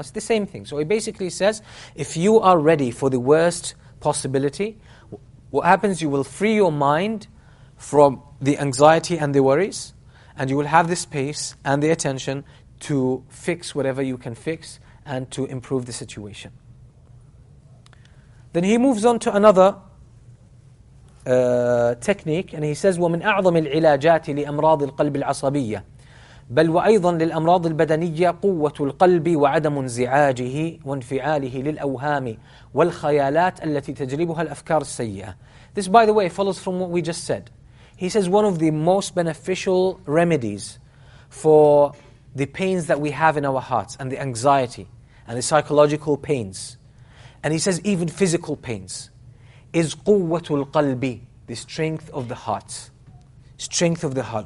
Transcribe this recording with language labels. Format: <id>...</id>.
<en>It's the same thing. So it basically says, if you are ready for the worst possibility, what happens, you will free your mind from the anxiety and the worries, and you will have the space and the attention to fix whatever you can fix and to improve the situation. Then he moves on to another technique, and he says,</en> <ar>وَمِنْ أَعْظَمِ الْعِلَاجَاتِ لِأَمْرَاضِ الْقَلْبِ الْعَصَبِيَّةِ بَلْ وَأَيْضًا لِلْأَمْرَاضِ الْبَدَنِيَّةِ قُوَّةُ الْقَلْبِ وَعَدَمُ انْزِعَاجِهِ وَانْفِعَالِهِ لِلْأَوْهَامِ وَالْخَيَالَاتِ الَّتِي تَجْلِبُهَا الْأَفْكَارُ السَّيِّئَةِ.</ar> <en>This, by the way, follows from what we just said. He says one of the most beneficial remedies for the pains that we have in our hearts and the anxiety and the psychological pains, and he says even physical pains, is quwwatul qalbi, the strength of the heart. Strength of the heart.</en>